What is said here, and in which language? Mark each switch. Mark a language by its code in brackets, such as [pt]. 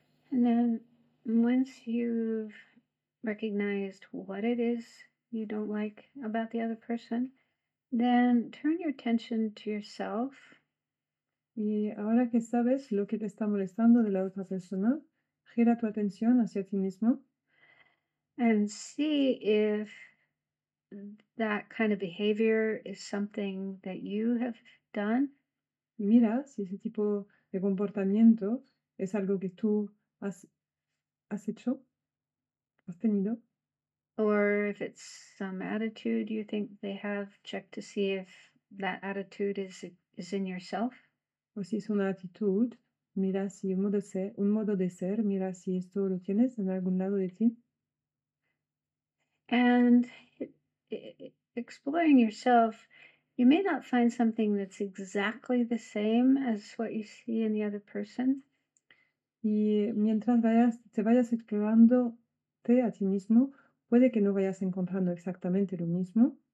[en] And then once you've recognized what it is you don't like about the other person, then turn your attention to yourself. [es] Y ahora que sabes lo que te está molestando de la otra persona, gira tu atención hacia ti mismo. [en] And see if that kind of behavior is something that you have done. [es] Y mira si ese tipo de comportamiento es algo que tú has hecho, has tenido. [en] Or if it's some attitude you think they have, check to see if that attitude is in yourself. [es] O si es una actitud, mira si un modo de ser, mira si esto lo tienes en algún lado de ti. [en] And exploring yourself, you may not find something that's exactly the same as what you see in the other person. [es] Y mientras te vayas explorándote a ti mismo, puede que no vayas encontrando exactamente lo mismo,